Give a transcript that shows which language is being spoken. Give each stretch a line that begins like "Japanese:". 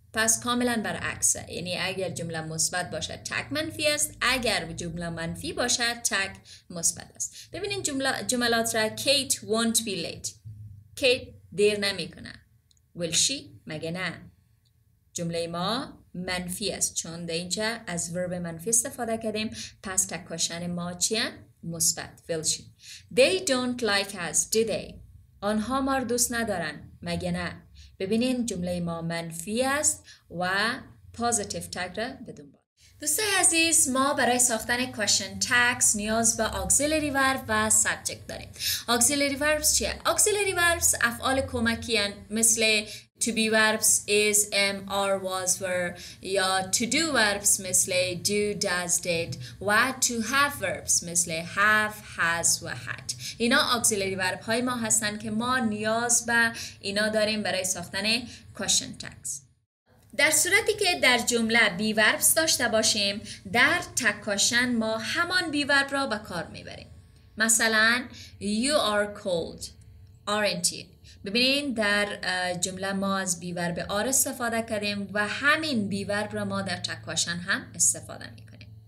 Persian: پس کاملا برعکسه، یعنی اگر جمله مثبت باشه تگ منفی است، اگر جمله منفی باشه تگ مثبت است. ببینین جملات را.
English: Kate won't be late.
Persian: Kate دیر نمی کنه.
English: Will she؟
Persian: مگه نه؟ جمله ما منفی است، چون در اینجا از ورب منفی استفاده کردیم. پس تک کوشن ما چیه؟ مثبت.
English: Will she. They don't like us, do they?
Persian: آنها ما رو دوست ندارن، مگه نه؟ ببینین جمله ما منفی است و پوزیتیف تگ را بدون با. دوستای عزیز، ما برای ساختن question tags نیاز به auxiliary verb و subject داریم.
English: Auxiliary verbs چیه؟ Auxiliary verbs
Persian: افعال کمکی هن،
English: مثل to be verbs is, am, are, was, were، یا to do verbs مثل do, does, did و to have verbs مثل have, has و had.
Persian: اینا auxiliary verb های ما هستن که ما نیاز به اینا داریم برای ساختن question tags. در صورتی که در جمله بی وربس داشته باشیم، در تکاشن ما همان بی ورب را به کار میبریم. مثلا
English: You are cold, aren't you؟
Persian: ببینین در جمله ما از بی ورب آر استفاده کردیم و همین بی ورب را ما در تکاشن هم استفاده میکنیم.